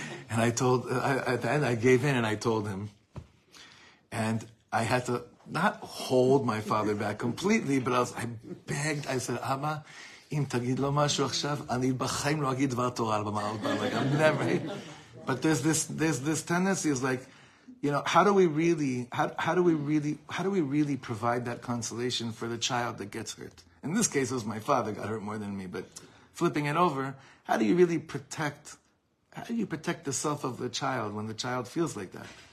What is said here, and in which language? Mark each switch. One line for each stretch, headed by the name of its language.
English: And I told, at the end, I gave in and I told him. And I had to not hold my father back completely, but I begged, I said, Abba,
Hebrew: אם תגיד לו משהו עכשיו, אני בחיים לא אגיד דבר תורה על במה עוד פעם.
English: Like, I'm never. But there's this tendency, it's like, you know, how do we really provide that consolation for the child that gets hurt? In this case, it was my father got hurt more than me. But flipping it over, how do you protect the self of the child when the child feels like that?